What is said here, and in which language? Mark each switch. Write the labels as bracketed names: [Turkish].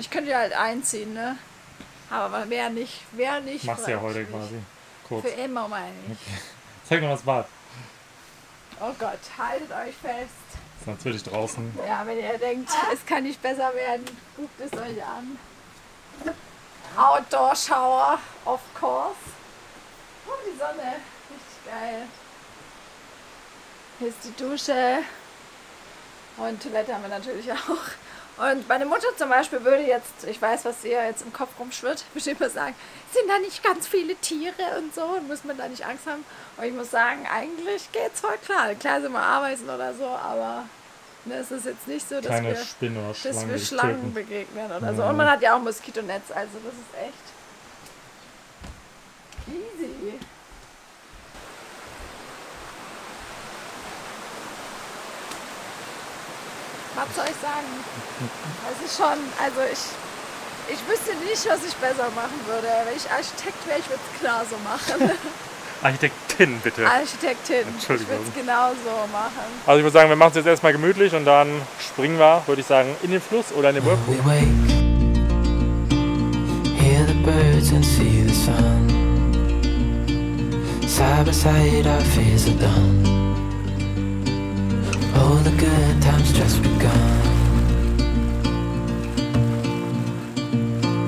[German] Ich könnte ja halt einziehen, ne? Aber wer nicht. Machst du ja heute quasi. Kurz. Für immer mal nicht. Zeig mir das Bad. Oh Gott, haltet euch fest. Ist natürlich draußen. Ja, wenn ihr denkt, es kann nicht besser werden, guckt es euch an. [English] Outdoor Shower, of course. [German] Oh, die Sonne. Richtig geil. Hier ist die Dusche. Und Toilette haben wir natürlich auch. Und meine Mutter zum Beispiel würde jetzt, ich weiß, was ihr jetzt im Kopf rumschwirrt, würde immer sagen, sind da nicht ganz viele Tiere und so, und muss man da nicht Angst haben. Und ich muss sagen, eigentlich geht's voll klar. Klar sind wir Ameisen oder so, aber ne, es ist jetzt nicht so, dass wir Schlangen begegnen oder so. Und man hat ja auch Moskitonetz, also das ist echt easy. Was soll ich sagen? Das ist schon, also ich wüsste nicht, was ich besser machen würde. Wenn ich Architekt wäre, ich würde es klar so machen. Architektin, bitte. Architektin. Entschuldigung. Ich würde es genau so machen. Also ich würde sagen, wir machen es jetzt erstmal gemütlich und dann springen wir, würde ich sagen, in den Fluss oder in den Whirlpool. [English] When we wake, hear the birds and see the sun. Side by side our fears are done. All the good times just begun.